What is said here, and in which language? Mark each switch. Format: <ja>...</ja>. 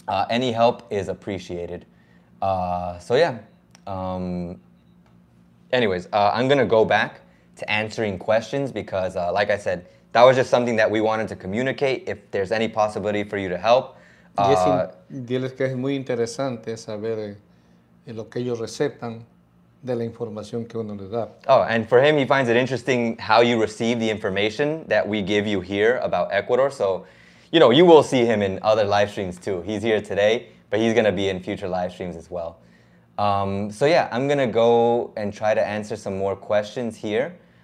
<en>Any help is appreciated. I'm gonna go back to answering questions, because like I said, that was just something that we wanted to communicate, if there's any possibility for you to help.</en> <es>Diles que es muy interesante saber lo que ellos receptan de la información que uno les da.</es> <en>Oh, and for him, he finds it interesting how you receive the information that we give you here about Ecuador. So, you know, you will see him in other live streams too. He's here today, but he's going to be in future live streams as well. I'm going to go and try to answer some more questions here.</en>